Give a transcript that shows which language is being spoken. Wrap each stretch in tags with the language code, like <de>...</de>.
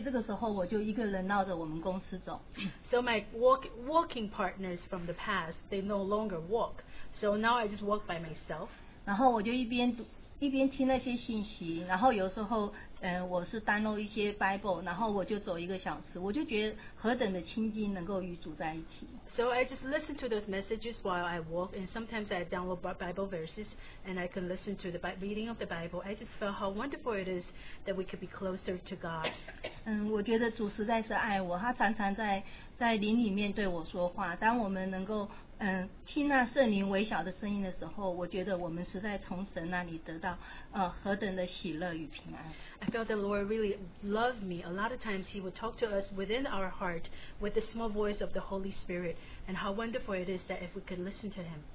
<zh>然后以前跟我走路那些伙伴，他们已经都没有在外头走了，所以这个时候我就一个人绕着我们公司走。</zh> <en>So my walking partners from the past, they no longer walk. So now I just walk by myself.</en> <zh>然后我就一边听那些信息，然后有时候，我是 download 一些 Bible， 然后我就走一个小时，我就觉得何等的亲近，能够与主在一起。</zh> <en>So I just listen to those messages while I walk, and sometimes I download Bible verses, and I can listen to the reading of the Bible. I just felt how wonderful it is that we could be closer to God.</en> <zh>我觉得主实在是爱我，他常常在灵里面对我说话。当我们能够听那圣灵微小的声音的时候，我觉得我们实在从神那里得到何等的喜乐与平安。</zh> <en>I felt the Lord really loved me. A lot of times He would talk to us within our heart with the small voice of the Holy Spirit. And how wonderful it is that if we could listen to Him.</en>